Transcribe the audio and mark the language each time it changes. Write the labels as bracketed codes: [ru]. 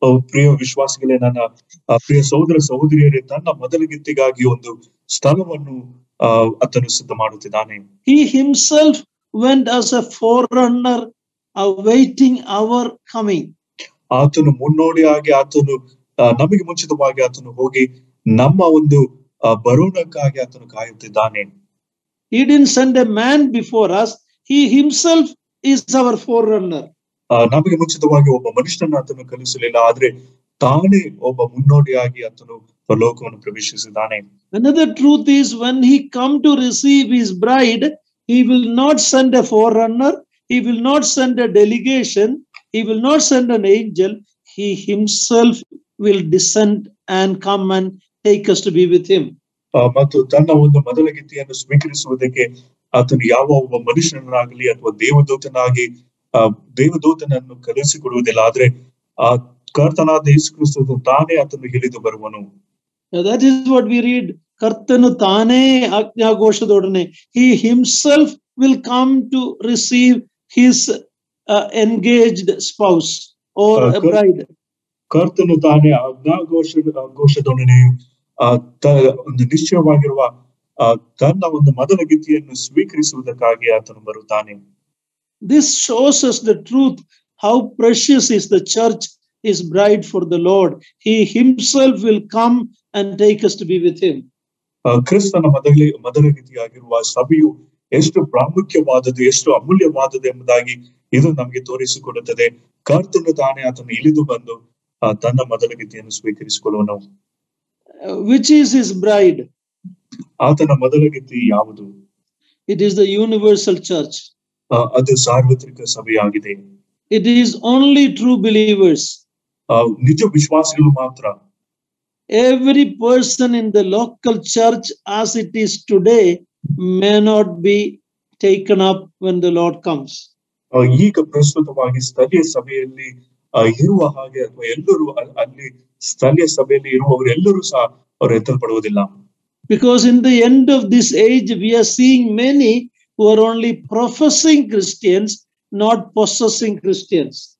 [kn] ಪ್ರಿಯ ವಿಶ್ವಾಸಿಗಳೇ, ನನ್ನ ಪ್ರಿಯ ಸಹೋದರ ಸಹೋದರಿಯರೇ, ತನ್ನ ಮೊದಲಗಿತ್ತಿಗಾಗಿ ಒಂದು ಸ್ಥಳವನ್ನು ಆತನು ಸಿದ್ಧ ಮಾಡುತ್ತಿದ್ದಾನೆ. [en] He himself went as a forerunner awaiting our coming. [kn] ಆತನು ಮುನ್ನೋಡಿಯಾಗಿ ಆತನು ನಮಗೆ ಮುಂಚಿತವಾಗಿ ಆತನು ಹೋಗಿ ನಮ್ಮ ಒಂದು ಬರೋಣಕ್ಕಾಗಿ ಆತನು ಕಾಯುತ್ತಿದ್ದಾನೆ. [en] He didn't send a man before us. He himself is our forerunner. [kn] ನಮಗೆ ಮುಂಚಿತವಾಗಿ ಒಬ್ಬ ಮನುಷ್ಯನನ್ನು ಆತನು ಕಲಿಸಲಿಲ್ಲ, ಆದರೆ ತಾನೇ ಒಬ್ಬ ಮುನ್ನೋಡಿಯಾಗಿ ಆತನು ಪರಲೋಕವನ್ನು ಪ್ರವೇಶಿಸಿದ್ದಾನೆ. [en] Another truth is, when he come to receive his bride, he will not send a forerunner, he will not send a delegation, he will not send an angel, he himself will descend and come and take us to be with him. [kn] ಮತ್ತು ತನ್ನ ಒಂದು ಮೊದಲಗಿತ್ತಿಯನ್ನು ಸ್ವೀಕರಿಸುವುದಕ್ಕೆ ಆತನು ಯಾವ ಒಬ್ಬ ಮನುಷ್ಯನಾಗಲಿ ಅಥವಾ ದೇವದೂತನಾಗಿ ದೇವದೂತನನ್ನು ಕಲಿಸಿಕೊಡುವುದಿಲ್ಲ, ಆದ್ರೆ ಆ ಕರ್ತನಾದ ಯೇಸು ಕ್ರಿಸ್ತನು ತಾನೇ ಆತನು ಹೇಳಿದು ಬರುವನು. [en] That is what we read. [kn] ಕರ್ತನು ತಾನೇ ಆಜ್ಞಾಘೋಷದೊಡನೆ, [en] he himself will come to receive his engaged spouse or a bride. [kn] ಕರ್ತನು ತಾನೇ ಆಜ್ಞಾಘೋಷದೊಡನೆ ಒಂದು ನಿಶ್ಚಯವಾಗಿರುವ ತನ್ನ ಒಂದು ಮೊದಲ ಗೀತೆಯನ್ನು ಸ್ವೀಕರಿಸುವುದಕ್ಕಾಗಿ ಆತನು ಬರುತ್ತಾನೆ. [en] This shows us the truth, how precious is the church, is bride for the Lord. He himself will come and take us to be with him. [kn] ಕ್ರಿಸ್ತನ ಮೊದಲ ಗೀತೆಯಾಗಿರುವ ಸಭೆಯು ಎಷ್ಟು ಪ್ರಾಮುಖ್ಯವಾದದ್ದು, ಎಷ್ಟು ಅಮೂಲ್ಯವಾದದ್ದು ಎಂಬುದಾಗಿ ಇದು ನಮಗೆ ತೋರಿಸಿಕೊಡುತ್ತದೆ. ಕರ್ತನು ತಾನೇ ಆತನು ಇಳಿದು ಬಂದು ತನ್ನ ಮೊದಲ ಗೀತೆಯನ್ನು ಸ್ವೀಕರಿಸಿಕೊಳ್ಳುವನು. [en] Which is his bride? [kn] ಆತನ ಮೊದಲಗಿತ್ತಿ ಯಾವುದು? [en] It is the universal church. [kn] ಅದು ಸಾರ್ವತ್ರಿಕ ಸಭೆಯಾಗಿದೆ. [en] It is only true believers. [kn] ನಿಜ ವಿಶ್ವಾಸಿಗಳು ಮಾತ್ರ. [en] Every person in the local church as it is today may not be taken up when the Lord comes. [kn] ಈಗ ಪ್ರಸ್ತುತವಾಗಿ ಸ್ಥಳೀಯ ಸಭೆಯಲ್ಲಿ ಇರುವ ಹಾಗೆ ಅಥವಾ ಎಲ್ಲರೂ ಅಲ್ಲಿ ಸ್ಥಳೀಯ ಸಭೆಯಲ್ಲಿ ಇರುವವರು ಎಲ್ಲರೂ ಸಹ ಅವರು ಎತ್ತಲ್ಪಡುವುದಿಲ್ಲ. [en] Because in the end of this age we are seeing many who are only professing Christians, not possessing Christians.